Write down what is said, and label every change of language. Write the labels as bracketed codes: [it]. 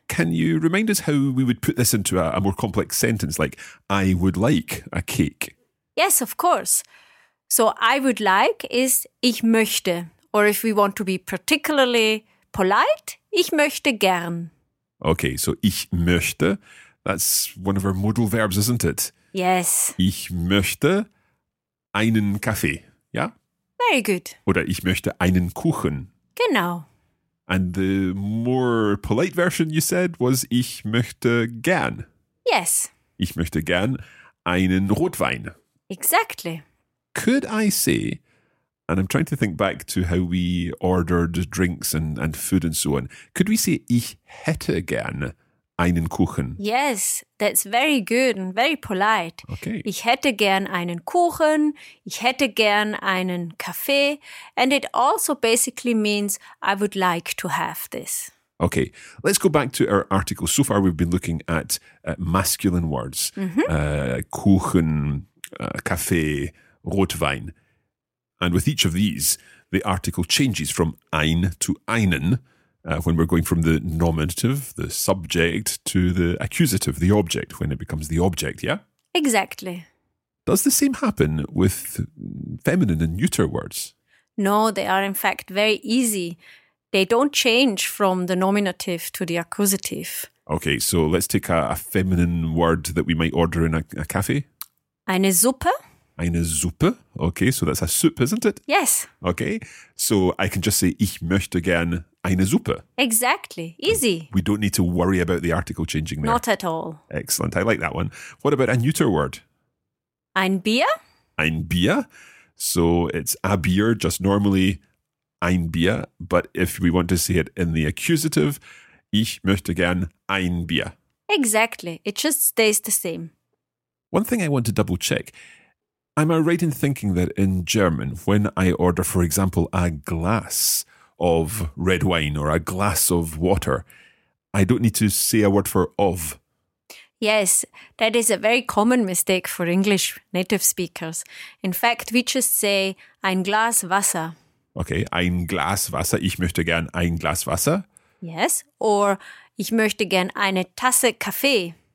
[en] Can you remind us how we would put this into a more complex sentence, like, I would like a cake? Yes, of course. So, I would like is [de] ich möchte. [en] Or if we want to be particularly polite, [de] ich möchte gern. [en] Okay, so [de] ich möchte, [en] that's one of our modal verbs, isn't it? Yes. [de] Ich möchte einen Kaffee, ja? [en] Very good. [de] Oder ich möchte einen Kuchen. Genau. [en] And the more polite version you said was [de] ich möchte gern. [en] Yes. [de] Ich möchte gern einen Rotwein. [en] Exactly. Could I say, and I'm trying to think back to how we ordered drinks and food and so on, could we say [de] ich hätte gern einen Kuchen? [en] Yes, that's very good and very polite. Okay. [de] Ich hätte gern einen Kuchen, ich hätte gern einen Kaffee. [en] And it also basically means I would like to have this. Okay, let's go back to our article. So far we've been looking at masculine words. Mm-hmm. [de] Kuchen, Kaffee, Rotwein. [en] And with each of these, the article changes from ein to einen. When we're going from the nominative, the subject, to the accusative, the object, when it becomes the object, yeah? Exactly. Does the same happen with feminine and neuter words? No, they are in fact very easy. They don't change from the nominative to the accusative. Okay, so let's take a feminine word that we might order in a cafe. [de] Eine Suppe. Eine Suppe. [en] Okay, so that's a soup, isn't it? Yes. Okay, so I can just say, [de] ich möchte gern eine Suppe. [en] Exactly. Easy. We don't need to worry about the article changing there. Not at all. Excellent. I like that one. What about a neuter word? [de] Ein Bier. [en] Ein Bier. So it's a beer, just normally [de] ein Bier. [en] But if we want to say it in the accusative, [de] ich möchte gern ein Bier. [en] Exactly. It just stays the same. One thing I want to double check. Am I right in thinking that in German, when I order, for example, a glass of red wine or a glass of water, I don't need to say a word for of? Yes, that is a very common mistake for English native speakers. In fact, we just say [de] ein Glas Wasser. Okay, ein Glas Wasser. Ich möchte gern ein Glas Wasser. [en] Yes, or [de] ich möchte gern eine Tasse Kaffee.